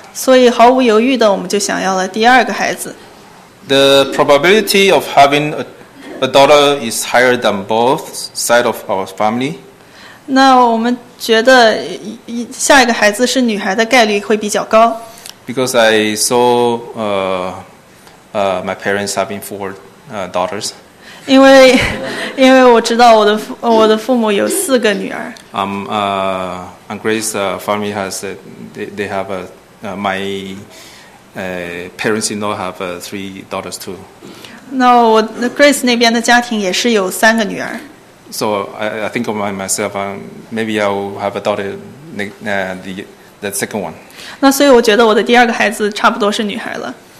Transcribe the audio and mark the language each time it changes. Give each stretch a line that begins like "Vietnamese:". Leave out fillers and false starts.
Chinese: 所以毫无犹豫的，我们就想要了第二个孩子。
English: The probability of having a daughter is higher than both sides of our family.
Chinese: 那我们觉得下一个孩子是女孩的概率会比较高。
English: Because I saw my parents having four daughters.
Chinese: 因为我知道我的父母有四个女儿。
English: And Grace's family has they have my parents-in-law have three daughters too.
Chinese: 那我 Grace 那边的家庭也是有三个女儿。
English: So I think of myself, maybe I'll have a daughter, the second one.
Chinese: 那所以我觉得我的第二个孩子差不多是女孩了。